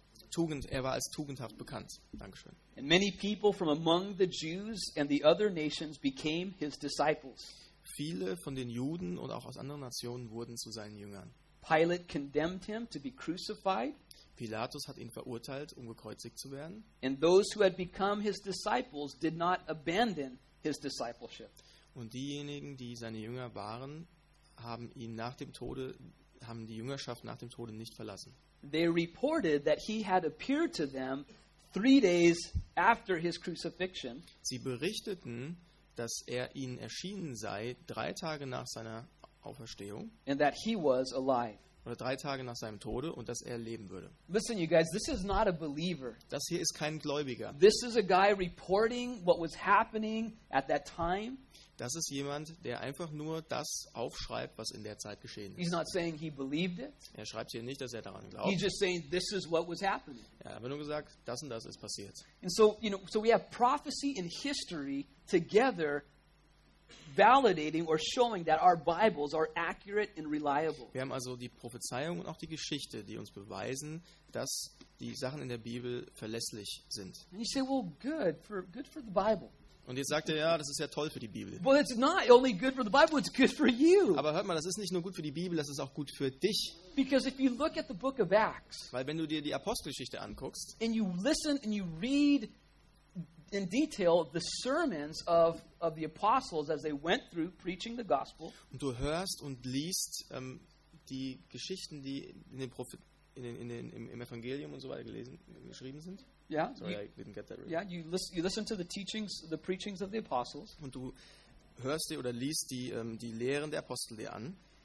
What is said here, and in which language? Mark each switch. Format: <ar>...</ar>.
<de>Tugend. Er war als tugendhaft bekannt. Dankeschön.</de> <en>And many people from among the Jews and the other nations became his disciples.</en> <de>Viele von den Juden und auch aus anderen Nationen wurden zu seinen Jüngern.</de> <en>Pilate condemned him to be crucified.</en> <de>Pilatus hat ihn verurteilt, um gekreuzigt zu werden.</de> <en>And those who had become his disciples did not abandon his discipleship.</en> <de>Und diejenigen, die seine Jünger waren, haben ihn nach dem Tode haben die Jüngerschaft nach dem Tode nicht verlassen.</de> <en>They reported that he had appeared to them 3 days after his crucifixion.</en> <de>Sie berichteten, dass er ihnen erschienen sei 3 Tage nach seiner Auferstehung.</de> <en>And that he was alive.</en> <de>Oder 3 Tage nach seinem Tode und dass er leben würde.</de> <en>Listen, you guys, this is not a believer.</en> <de>Das hier ist kein Gläubiger.</de> <en>This is a guy reporting what was happening at that time.</en> <de>Das ist jemand, der einfach nur das aufschreibt, was in der Zeit geschehen ist.</de> <en>He's not saying he believed it.</en> <de>Er schreibt hier nicht, dass er daran glaubt.</de> <en>He's just saying this is what was happening.</en> <de>Er hat aber nur gesagt, das und das ist passiert.</de> <en>And so, you know, so we have prophecy and history together validating or showing that our Bibles are accurate and reliable.</en> <de>Wir haben also die Prophezeiung und auch die Geschichte, die uns beweisen, dass die Sachen in der Bibel verlässlich sind.</de> <en>And you say, well, good for the Bible.</en> <de>Und jetzt sagt er, ja, das ist ja toll für die Bibel.</de> <en>Well, it's not only good for the Bible, it's good for you.</en> <de>Aber hört mal, das ist nicht nur gut für die Bibel, das ist auch gut für dich.</de> <en>Because if you look at the book of Acts,</en> <de>weil wenn du dir die Apostelgeschichte anguckst,</de> <en>and you listen and you read in detail the sermons of the apostles as they went through preaching the gospel,</en> <de>und du hörst und liest die Geschichten, die in den im Evangelium und so weiter geschrieben sind.</de> <en>Yeah, you listen to the teachings, the preachings of the apostles.</en> <de>Und du hörst dir oder liest die Lehren der Apostel dir an.</de>